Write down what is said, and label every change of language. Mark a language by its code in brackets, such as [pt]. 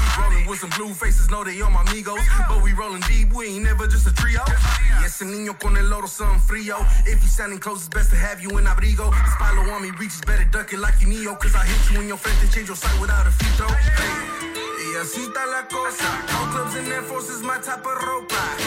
[en] Rolling with some blue faces, know they on my amigos. But we rolling deep, we ain't never just a trio. Yes, [es] el niño con el loro, [en] something frío. If you standing close, it's best to have you in abrigo. The spilo on me reaches, better duck it like you Neo. Cause I hit you in your face and change your sight without a filtro. Hey, [es] y así está la cosa. [en] All clubs and air forces, my type of ropa.